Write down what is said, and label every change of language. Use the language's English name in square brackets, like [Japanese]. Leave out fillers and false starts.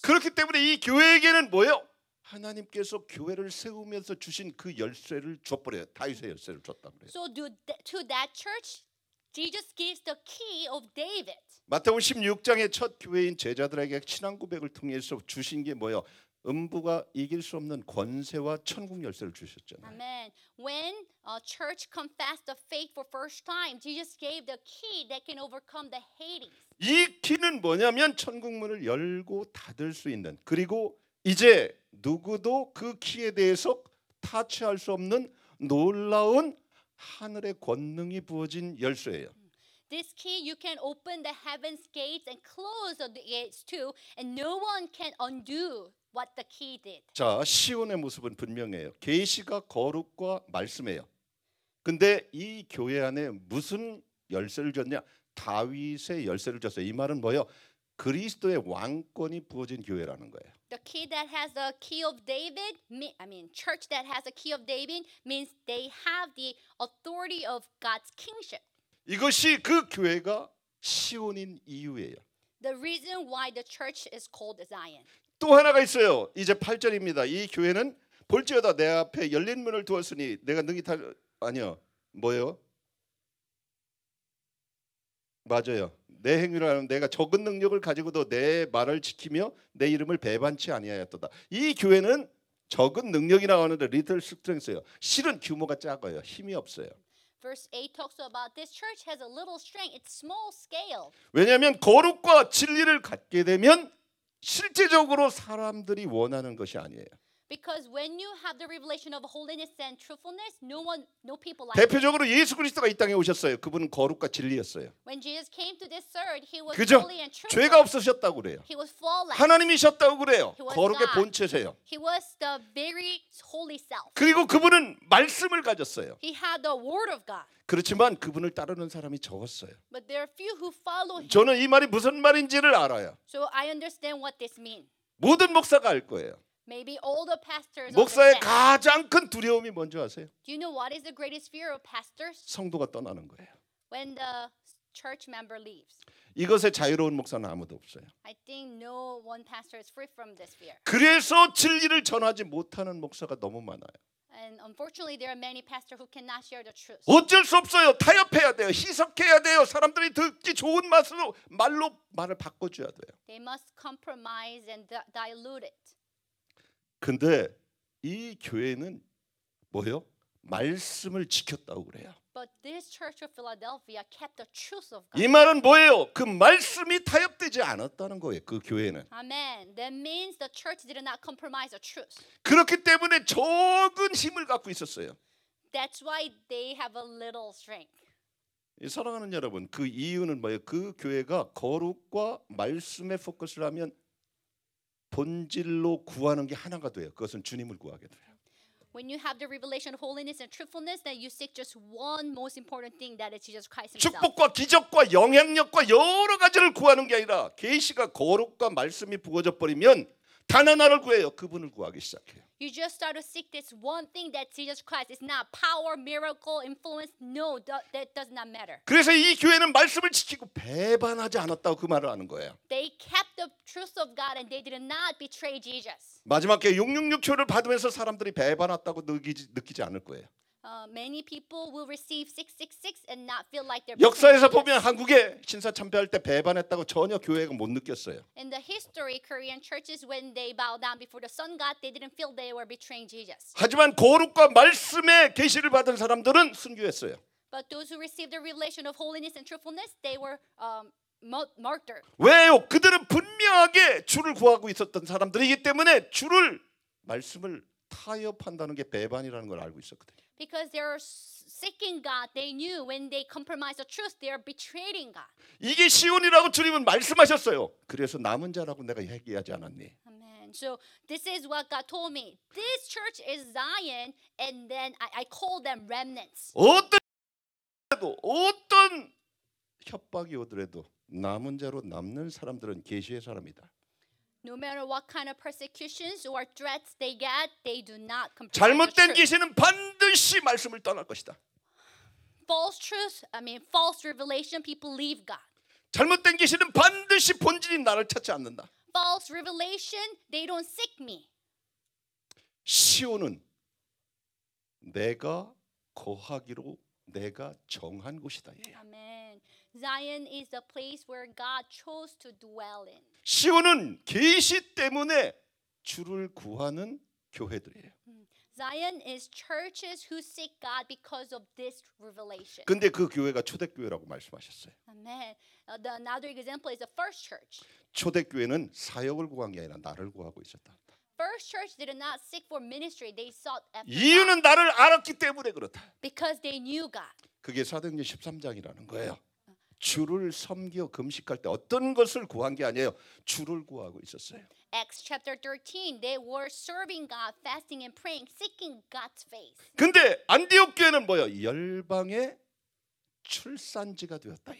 [Korean] 그렇기 때문에 이 교회에게는 뭐요? 하나님께서 교회를 세우면서 주신 그 열쇠를 줬버려요. 다윗의 열쇠를 줬단 말이에요. [English] So to that church, Jesus gives the key of David. [Korean] 마태복음 16장의 첫 교회인 제자들에게 신앙 고백을 통해서 주신 게 뭐요? 음부가 이길 수 없는 권세와 천국 열쇠를 주셨잖아요. [English] Amen. When a church confessed the faith for first time, Jesus gave the key that can overcome the Hades. [Korean] 이 키는 뭐냐면 천국 문을 열고 닫을 수 있는 그리고 이제 누구도 그 키에 대해서 터치할 수 없는 놀라운 하늘의 권능이 부어진 열쇠예요. [English] This key you can open the heaven's gates and close the gates too and no one can undo. What the key did. [Korean] 자, 시온의 모습은 분명해요. 계시가 거룩과 말씀이에요. 근데 이 교회 안에 무슨 열쇠를 줬냐? 다윗의 열쇠를 줬어요. 이 말은 뭐예요? 그리스도의 왕권이 부어진 교회라는 거예요. [English] The key that has the key of David, church that has the key of David means they have the authority of God's kingship. [Korean] 이것이 그 교회가 시온인 이유예요. [English] The reason why the church is called Zion. [Korean] 또 하나가 있어요. 이제 8절입니다. 이 교회는 볼지어다 내 앞에 열린 문을 두었으니 내가 능히 탈 아니요. 뭐예요? 맞아요. 내 행위를 하는 내가 적은 능력을 가지고도 내 말을 지키며 내 이름을 배반치 아니하였도다. 이 교회는 적은 능력이 나오는데 [English] little strength [Korean] 예요. 실은 규모가 작아요. 힘이 없어요. [English] Verse 8 talks about this church has a little strength. It's small scale. [Korean] 왜냐면 거룩과 진리를 갖게 되면 실제적으로 사람들이 원하는 것이 아니에요. [English] Because when you have the revelation of holiness and truthfulness, no people like. [Korean] 대표적으로 예수 그리스도가 이 땅에 오셨어요. 그분은 거룩과 진리였어요. [English] When Jesus came to this earth, he was holy and truthful. [Korean] 죄가 없으셨다고 그래요. [English] He was flawless. [Korean] 하나님이셨다고 그래요. 거룩의 본체세요. [English] He was the very holy self. [Korean] 그리고 그분은 말씀을 가졌어요. [English] He had the word of God. [Korean] 그렇지만 그분을 따르는 사람이 적었어요. [English] But there are few who follow him. [Korean] 저는 이 말이 무슨 말인지를 알아요. [English] So I understand what this means. [Korean] 모든 목사가 알 거예요. [English] Maybe all the pastors. [Korean] 목사의 가장 큰 두려움이 뭔지 아세요? [English] Do you know what is the greatest fear of pastors? [Korean] 성도가 떠나는 거예요. [English] When the church member leaves. [Korean] 이것에 자유로운 목사는 아무도 없어요. [English] I think no one pastor is free from this fear. [Korean] 그래서 진리를 전하지 못하는 목사가 너무 많아요. [English] And unfortunately, there are many pastors who cannot share the truth. [Korean] 어쩔 수 없어요. 타협해야 돼요. 희석해야 돼요. 사람들이 듣기 좋은 말로 말을 바꿔줘야 돼요. [English] They must compromise and dilute it. [Korean] 근데 이 교회는 뭐요? 말씀을 지켰다고 그래요. [English] But this church of Philadelphia kept the truth of God. [Korean] 이 말은 뭐예요? 그 말씀이 타협되지 않았다는 거예요. 그 교회는. [English] Amen. That means the church did not compromise the truth. [Korean] 그렇기 때문에 적은 힘을 갖고 있었어요. [English] That's why they have a little strength. [Korean] 사랑하는 여러분, 그 이유는 뭐예요? 그 교회가 거룩과 말씀에 포커스를 하면 본질로 구하는 게 하나가 돼요. 그것은 주님을 구하게 돼요. [English] When you have the revelation of holiness and truthfulness, then you seek just one most important thing, that is Jesus Christ himself. [Korean] 축복과 기적과 영향력과 여러 가지를 구하는 게 아니라 계시가 거룩과 말씀이 부어져 버리면 단 하나를 구해요. 그분을 구하기 시작해요. [English] You just start to seek this one thing that Jesus Christ. It's not power, miracle, influence. No, that does not matter. [Korean] 그래서 이 교회는 말씀을 지키고 배반하지 않았다고 그 말을 하는 거예요. [English] They kept the truth of God and they did not betray Jesus. [Korean] 마지막에 666 초를 받으면서 사람들이 배반했다고 느끼지 않을 거예요. [English] Many people will receive 666 and not feel like they're. [Korean] 역사에서 보면 한국에 신사 참배할 때 배반했다고 전혀 교회가 못 느꼈어요. [English] In the history, Korean churches when they bow down before the sun god, they didn't feel they were betraying Jesus. [Korean] 하지만 거룩과 말씀의 계시를 받은 사람들은 순교했어요. [English] But those who received the revelation of holiness and truthfulness, they were martyred. [Korean] 왜요? 그들은 분명하게 주를 구하고 있었던 사람들이기 때문에 주를 말씀을 타협한다는 게 배반이라는 걸 알고 있었거든요. [English] Because they are seeking God, they knew when they compromise the truth, they are betraying God. [Korean] 이게 시온이라고 주님은 말씀하셨어요. 그래서 남은 자라고 내가 얘기하지 않았니? [English] Amen. So this is what God told me. This church is Zion, and then I call them remnants. [Korean] 어떤 협박이 오더라도 남은 자로 남는 사람들은 계시의 사람이다. [English] No matter what kind of persecutions or threats they get, they do not compromise. [Korean] 잘못된 계시는 반드시 말씀을 떠날 것이다. [English] False truth, I mean false revelation, people leave God. [Korean] 잘못된 계시는 반드시 본질인 나를 찾지 않는다. [English] False revelation, they don't seek me. [Korean] 시온은 내가 거하기로 내가 정한 곳이다. 예. [English] Amen. Zion is the place where God chose to dwell in. [Korean] 시온은 계시 때문에 주를 구하는 교회들이에요. [English] Zion is churches who seek God because of this revelation. [Korean] 근데 그 교회가 초대교회라고 말씀하셨어요. [English] Amen. Another example is the first church. [Korean] 초대교회는 사역을 구한 게 아니라 나를 구하고 있었다. [English] First church did not seek for ministry. They sought after God. [Korean] 이유는 나를 알았기 때문에 그렇다. [English] Because they knew God. [Korean] 그게 사도행전 13장이라는 거예요. 주를 섬겨 금식할 때 어떤 것을 구한 게 아니에요. 주를 구하고 있었어요. [English] Acts chapter 13, they were serving God, fasting and praying, seeking God's face. [Korean] 근데 안디옥 교회는 뭐예요? 열방의 출산지가 되었다.